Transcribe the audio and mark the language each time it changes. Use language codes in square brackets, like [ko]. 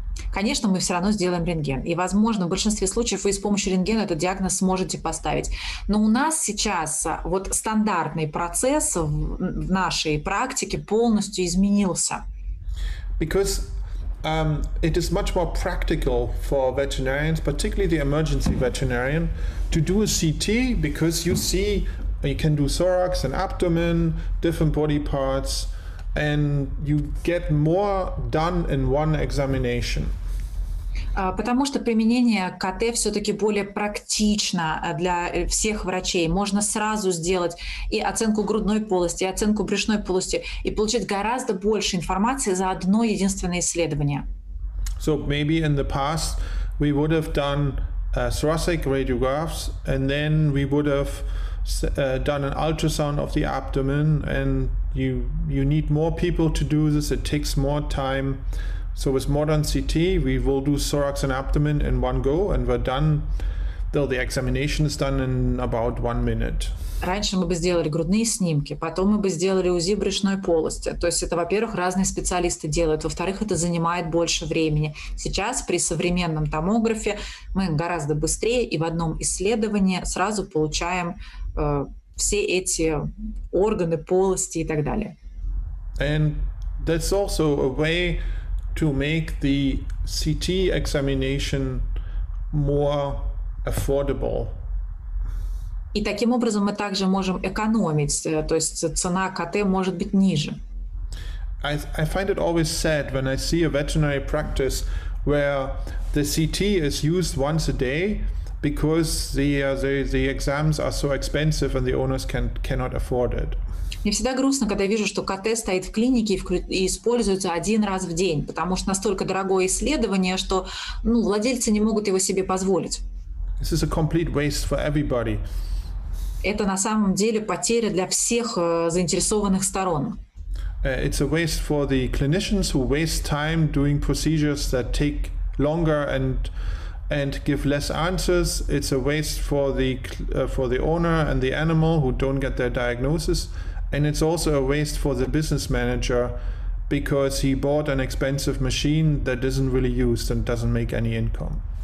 [ru] Конечно, мы все равно сделаем рентген. И, возможно, в большинстве случаев вы с помощью рентгена этот диагноз сможете поставить. Но у нас сейчас вот стандартный процесс в нашей практике полностью изменился. [en] Because It is much more practical for veterinarians, particularly the emergency veterinarian, to do a CT, because you see, you can do thorax and abdomen, different body parts, and you get more done in one examination. [ru] Потому что применение КТ все-таки более практично для всех врачей. Можно сразу сделать и оценку грудной полости, и оценку брюшной полости, и получить гораздо больше информации за одно единственное исследование. [en] So maybe in the past we would have done thoracic radiographs, and then we would have done an ultrasound of the abdomen, and you need more people to do this, it takes more time. So with modern CT, we will do thorax and abdomen in one go, and we're done. Though the examination is done in about 1 minute. [ru] Раньше мы бы сделали грудные снимки, потом мы бы сделали УЗИ брюшной полости. То есть это, во-первых, разные специалисты делают, во-вторых, это занимает больше времени. Сейчас при современном томографе мы гораздо быстрее и в одном исследовании сразу получаем все эти органы, полости и так далее. [en] And that's also a way to make the CT examination more affordable. [ru] И таким образом мы также можем экономить, то есть цена КТ может быть ниже. [en] I find it always sad when I see a veterinary practice where the CT is used once a day because the exams are so expensive and the owners cannot afford it. [ru] Мне всегда грустно, когда вижу, что КТ стоит в клинике и используется один раз в день, потому что настолько дорогое исследование, что владельцы не могут его себе позволить. [en] This is a complete waste for everybody. [ru] Это на самом деле потеря для всех заинтересованных сторон. [en] It's a waste for the clinicians who waste time doing procedures that take longer and give less answers. It's a waste for the owner and the animal who don't get their diagnosis. And it's also a waste for the business manager because he bought an expensive machine that isn't really used and doesn't make any income.